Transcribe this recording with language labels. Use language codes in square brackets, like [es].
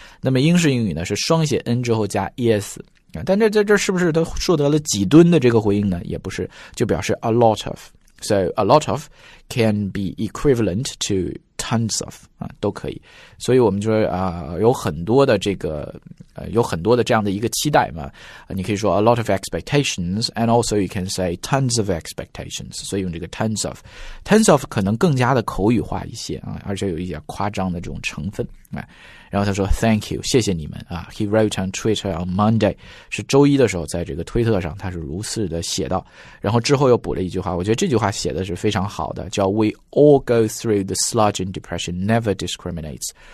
[zh] 那么英式英语呢是双写 n 之后加 es。但这是不是他获得了几吨的这个回应呢？也不是，就表示 [en] a lot of。So a lot of can be equivalent to tons of, [zh] 啊，都可以。所以我们就说，有很多的这个，有很多的这样的一个期待嘛。 [en] 你可以说 a lot of expectations, and also you can say tons of expectations. [zh] 所以用这个 tons of。 Tons of 可能更加的口语化一些，啊，而且有一些夸张的这种成分，啊。然后他说 [en] thank you, [zh] 谢谢你们，啊。 [en] He wrote on Twitter on Monday, [zh] 是周一的时候在这个推特上他是如此的写道。然后之后又补了一句话，我觉得这句话写的是非常好的，叫 [en] we all go through the sludge and depression never discriminates.